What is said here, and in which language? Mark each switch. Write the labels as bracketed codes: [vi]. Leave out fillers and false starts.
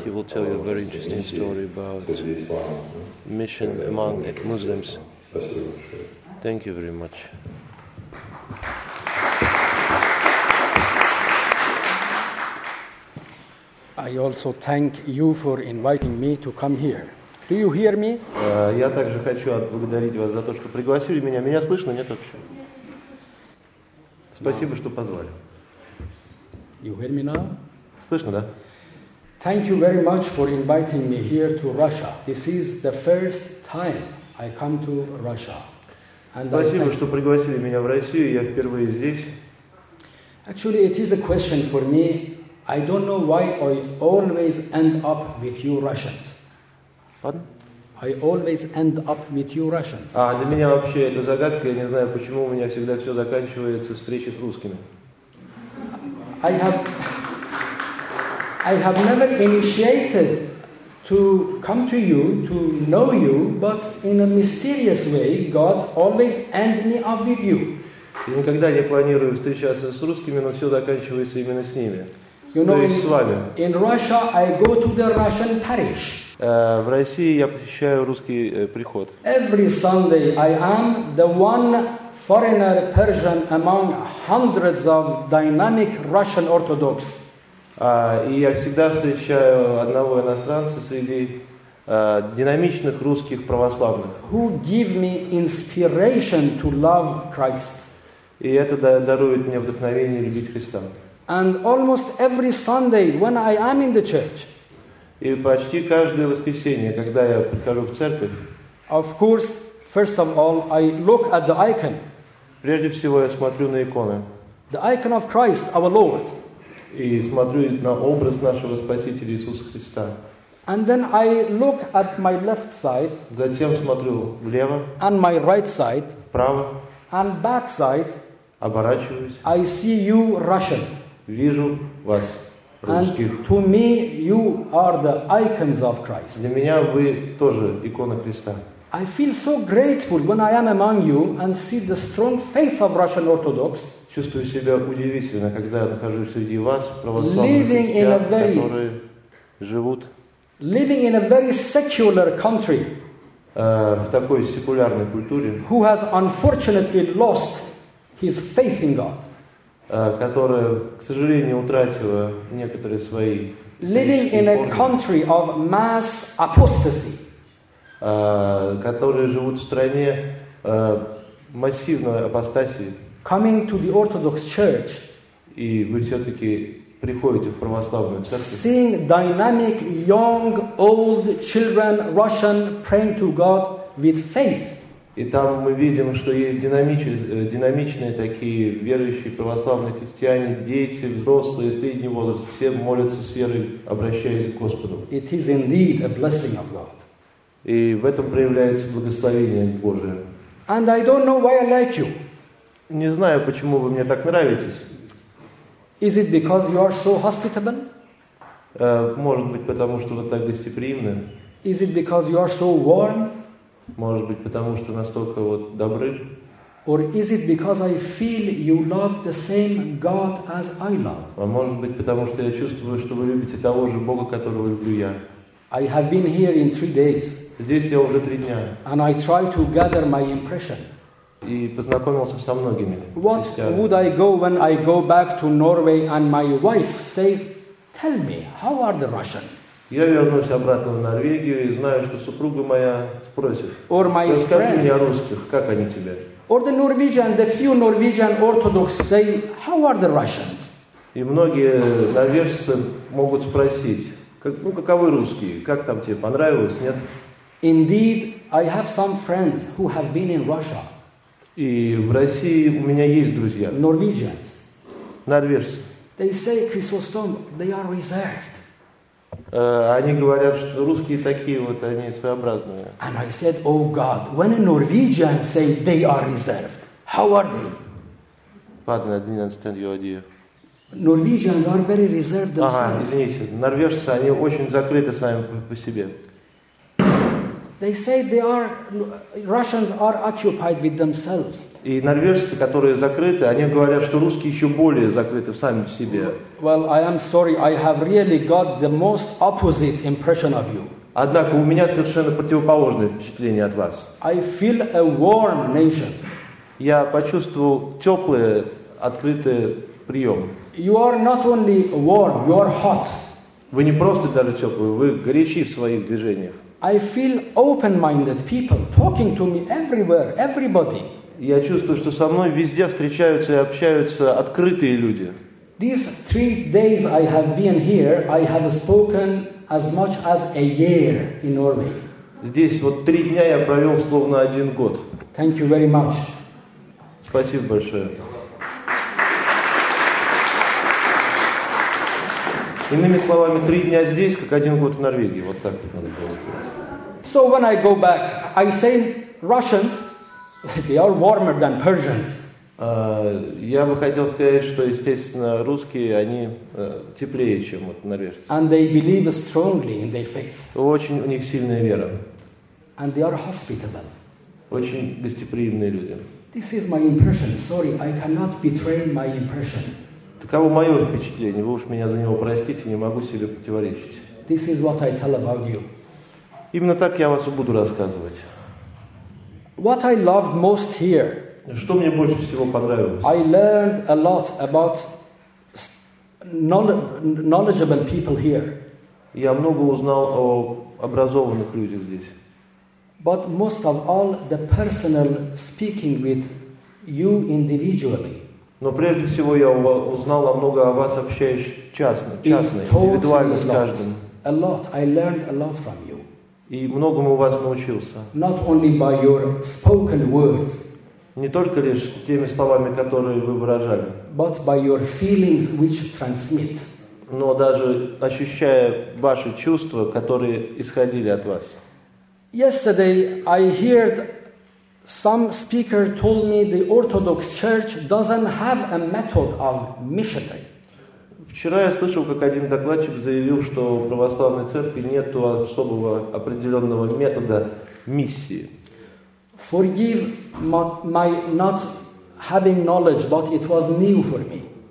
[en] He will tell you a very interesting story about mission among Muslims. Thank you very much. I also thank you for inviting me to come here. Do you hear me? [ru] Я также хочу отблагодарить вас за то, что пригласили меня. Меня слышно, нет вообще? Спасибо, что позвали. [en] You hear me now? [ru] Слышно, да? [en] Thank you very much for inviting me here to Russia. This is the first time I come to Russia. [ru] Спасибо, что пригласили меня в Россию. Я впервые здесь. [en] Actually, it is a question for me. I don't know why I always end up with you Russians. Pardon? I always end up with you Russians. [ru] А для меня вообще это загадка. Я не знаю, почему у меня всегда все заканчивается встречей с русскими. [en] I have never initiated to come to you to know you, but in a mysterious way, God always ends me up with you. [ru] Я никогда не планирую встречаться с русскими, но все заканчивается именно с ними. [en] You know, [ru] то есть с вами. [en] In Russia, I go to the Russian parish. [ru] В России я посещаю русский приход. [en] Every Sunday I am the one foreigner Persian among hundreds of dynamic Russian Orthodox. [ru] И я всегда встречаю одного иностранца среди динамичных русских православных. [en] Who give me inspiration to love Christ. [ru] И это дарует мне вдохновение любить Христа. [en] And almost every Sunday when I am in the church. [ru] И почти каждое воскресенье, когда я прихожу в церковь. [en] Of course, first of all, I look at the icon. [ru] Прежде всего я смотрю на иконы. [en] The icon of Christ, our Lord. [ru] И смотрю на образ нашего Спасителя Иисуса Христа. [en] And then I look at my left side. [ru] Затем смотрю влево. [en] And my right side. [ru] Вправо. [en] And back side. [ru] Оборачиваюсь. [en] I see you Russian. [ru] Вижу вас, русских. [en] And to me, you are the icons of Christ. [ru] Для меня вы тоже икона Христа. [en] I feel so grateful when I am among you and see the strong faith of Russian Orthodox. [ru] Чувствую себя удивительно, когда я нахожусь среди вас, православных христиан, которые живут. [en] Living in a very secular country. [ru] В такой секулярной культуре. [en] Who has unfortunately lost his faith in God. [ru] Которая, к сожалению, утратила некоторые свои [en] Living in a country of mass apostasy. [ru] Которые живут в стране массивной апостасии. [en] Coming to the Orthodox Church. [ru] И вы все-таки приходите в православную церковь. [en] Seeing dynamic young, old children, Russian, praying to God with faith. [ru] И там мы видим, что есть динамичные такие верующие православные христиане, дети, взрослые, средний возраст, все молятся с верой, обращаясь к Господу. [en] It is indeed a blessing of God. [ru] И в этом проявляется благословение Божие. [en] And I don't know why I like you. [ru] Не знаю, почему вы мне так нравитесь. [en] Is it because you are so hospitable? [ru] Может быть, потому что вы так гостеприимны. [en] Is it because you are so warm? [ru] Может быть, потому что настолько вот добры? [en] Or is it because I feel you love the same God as I love? [ru] А может быть, потому что я чувствую, что вы любите того же Бога, которого люблю я? [en] I have been here in 3 days. [ru] Здесь я уже 3 дня. [en] And I try to gather my impression. [ru] И познакомился со многими. [en] What would I go when I go back to Norway and my wife says, "Tell me, how are the Russians?" [ru] Я вернусь обратно в Норвегию и знаю, что супруга моя спросит. [en] Or my [ru] Расскажи [en] friends. [ru] Мне о русских, как они тебе? [en] Or the Norwegian, the few Norwegian Orthodox say, how are the Russians? [ru] И многие норвежцы могут спросить, как, ну каковы русские, как там тебе понравилось, нет? [en] Indeed, I have some friends who have been in Russia. [ru] И в России у меня есть друзья. [en] Norwegians. [ru] Норвежцы. [en] They say, Chrysostom, they are reserved. [ru] Они говорят, что русские такие вот, они своеобразные. [en] And I said, oh God, when a Norwegian say they are reserved, how are they? Pardon, I didn't understand your idea. Norwegians are very reserved themselves. [ru] Ага, извините, норвежцы, они очень закрыты сами по себе. [en] They say they are Russians are occupied with themselves. [ru] И норвежцы, которые закрыты, они говорят, что русские еще более закрыты сами в себе. [en] Well, I am sorry. I have really got the most opposite impression of you. [ru] Однако у меня совершенно противоположное впечатление от вас. [en] I feel a warm nation. [ru] Я почувствовал теплый, открытый прием. [en] You are not only warm, you are hot. [ru] Вы не просто даже теплый, вы горячий в своих движениях. [en] I feel open-minded people talking to me everywhere, everybody. [ru] Я чувствую, что со мной везде встречаются и общаются открытые люди. [en] These 3 days I have been here, I have spoken as much as a year in Norway. [ru] Здесь вот 3 дня я провел словно 1 год. [en] Thank you very much. [ru] Спасибо большое. Иными словами, 3 дня здесь, как 1 год в Норвегии. Вот так вот надо было сказать. [en] So when I go back, I say Russians, they are warmer than Persians. [ru] Я бы хотел сказать, что, естественно, русские, они теплее, чем вот норвежцы. [en] And they believe strongly in their faith. [ru] Очень у них сильная вера. [en] And they are hospitable. [ru] Очень гостеприимные люди. [en] This is my impression. Sorry, I cannot betray my impression. [ru] Таково мое впечатление. Вы уж меня за него простите, не могу себе противоречить. [en] This is what I tell about you. [ru] Именно так я вас и буду рассказывать. [en] What I loved most here. [ru] Что мне больше всего понравилось? [en] I learned a lot about knowledgeable people here. [ru] Я много узнал о образованных людях здесь. [en] But most of all, the personal speaking with you individually. [ru] Но прежде всего я узнал о много о вас общаясь частно, индивидуально с каждым. [en] A lot. I learned a lot from you. [ru] И многому у вас научился. [en] Not only by your spoken words. [ru] Не только лишь теми словами, которые вы выражали. [en] But by your feelings, which transmit. [ru] Но даже ощущая ваши чувства, которые исходили от вас. [en] Yesterday I heard some speaker told me the Orthodox Church doesn't have a method of missionary. [ru] Вчера я слышал, как один докладчик заявил, что в православной церкви нет особого определенного метода миссии. [en] Forgive my not having knowledge, but it was new for me.